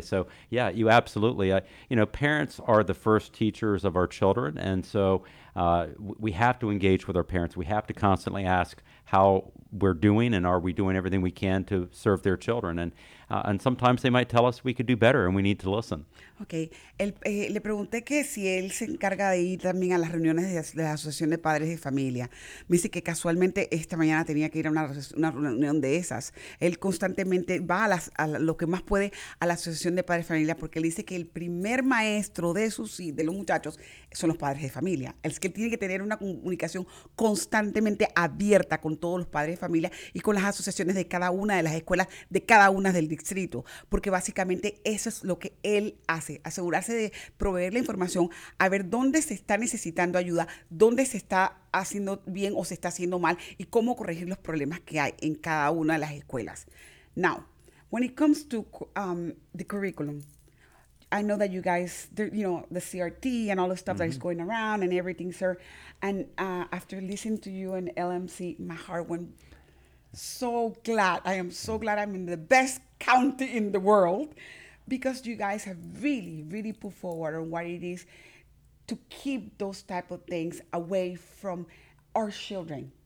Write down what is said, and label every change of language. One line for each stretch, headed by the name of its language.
English: So, yeah, you absolutely. You know, parents are the first teachers of our children, and so we have to engage with our parents. We have to constantly ask how we're doing and are we doing everything we can to serve their children. And And sometimes they might tell us we could do better and we need to listen. Okay.
Spanish: Le pregunté que si él se encarga de ir también a las reuniones de la Asociación de Padres de Familia. Me dice que casualmente esta mañana tenía que ir a una reunión de esas. Él constantemente va a lo que más puede a la Asociación de Padres de Familia porque él dice que el primer maestro de los muchachos son los padres de familia. Es que él tiene que tener una comunicación constantemente abierta con todos los padres de familia y con las asociaciones de cada una de las escuelas, de cada una del distrito, porque básicamente eso es lo que él hace, asegurarse de proveer la información, a ver dónde se está necesitando ayuda, dónde se está haciendo bien o se está haciendo mal y cómo corregir los problemas que hay en cada una de las escuelas.
English: Now, when it comes to the curriculum, I know that you guys, you know, the CRT and all the stuff mm-hmm. that is going around and everything, sir. And after listening to you and LMC, my heart went so glad. I am so glad I'm in the best county in the world because you guys have really, really put forward on what it is to keep those type of things away from our children.